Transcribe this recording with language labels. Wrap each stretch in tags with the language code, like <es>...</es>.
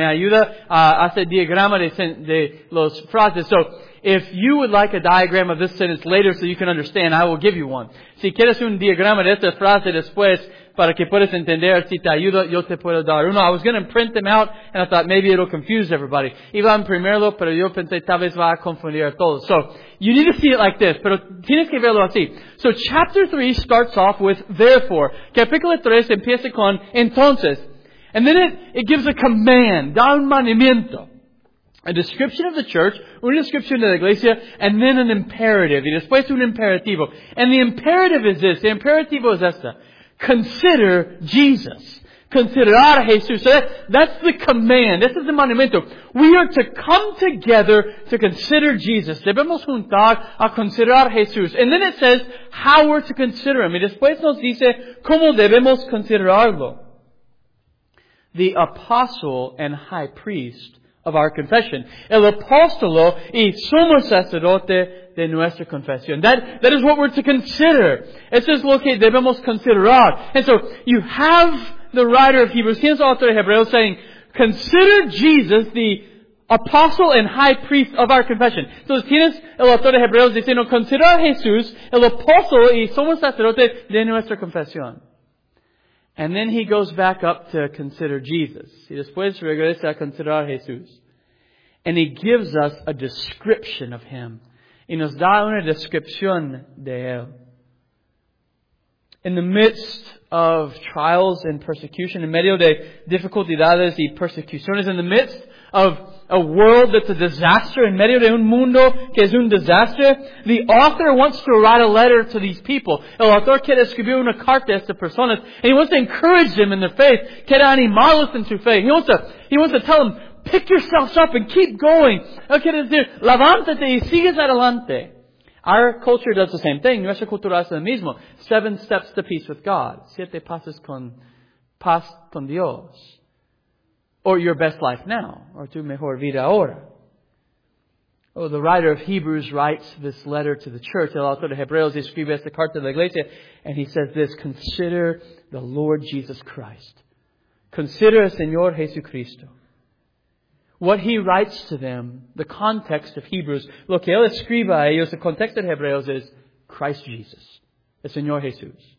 <es>Me ayuda a hacer diagrama de los frases.</es> <en>So, if you would like a diagram of this sentence later so you can understand, I will give you one.</en> <es>Si quieres un diagrama de esta frase después, para que puedas entender, si te ayuda, yo te puedo dar uno.</es> <en>I was going to print them out, and I thought maybe it'll confuse everybody.</en> <es>Iba en primero, pero yo pensé, tal vez va a confundir a todos.</es> <en>So, you need to see it like this,</en> <es>pero tienes que verlo así.</es> <en>So, chapter 3 starts off with, therefore.</en> <es>Capítulo 3 empieza con, entonces.</es> <en>And then it gives a command,</en> <es>da un mandamiento.</es> <en>A description of the church,</en> <es>una descripción de la iglesia,</es> <en>and then an imperative.</en> <es>Y después un imperativo.</es> <en>And the imperative is this,</en> <es>the imperativo es esta.</es> <en>Consider Jesus.</en> <es>Considerar a Jesús.</es> <en>So that's the command. This is the monumento. We are to come together to consider Jesus.</en> <es>Debemos juntar a considerar a Jesús.</es> <en>And then it says how we're to consider him.</en> <es>Y después nos dice cómo debemos considerarlo.</es> <en>The apostle and high priest of our confession.</en> <es>El apóstolo y sumo sacerdote de nuestra confesión.</es> <en>That is what we're to consider.</en> <es>Eso es lo que debemos considerar.</es> <en>And so, you have the writer of Hebrews,</en> <es>tienes autor de Hebreos</es> <en>saying, consider Jesus, the apostle and high priest of our confession.</en> <es>So, tienes el autor de Hebreos diciendo, considera Jesús, el apóstolo y sumo sacerdote de nuestra confesión.</es> <en>And then he goes back up to consider Jesus.</en> <es>Y después regresa a considerar Jesús.</es> <en>And he gives us a description of him.</en> <es>Y nos da una descripción de él.</es> <en>In the midst of trials and persecution,</en> <es>en medio de dificultades y persecuciones,</es> <en>in the midst of a world that's a disaster,</en> <es>en medio de un mundo que es un desastre,</es> <en>the author wants to write a letter to these people.</en> <es>El autor quiere escribir una carta a estas personas,</es> <en>and he wants to encourage them in their faith,</en> <es>quiere animarlos en su fe.</es> <en>He wants to tell them, pick yourselves up and keep going. Okay,</en> <es>decir, levántate y sigues adelante.</es> <en>Our culture does the same thing.</en> <es>Nuestra cultura hace lo mismo.</es> <en>7 steps to peace with God.</en> <es>7 pasos con paz con Dios.</es> <en>Or your best life now.</en> <es>Or tu mejor vida ahora.</es> <en>Oh, the writer of Hebrews writes this letter to the church.</en> <es>El autor de Hebreos escribe esta carta a la iglesia.</es> <en>And he says this, consider the Lord Jesus Christ. Consider el Señor Jesucristo. What he writes to them, the context of Hebrews,</en> <es>lo que él escribe a ellos,</es> <en>the context of Hebreos is Christ Jesus,</en> <es>el Señor Jesús.</es>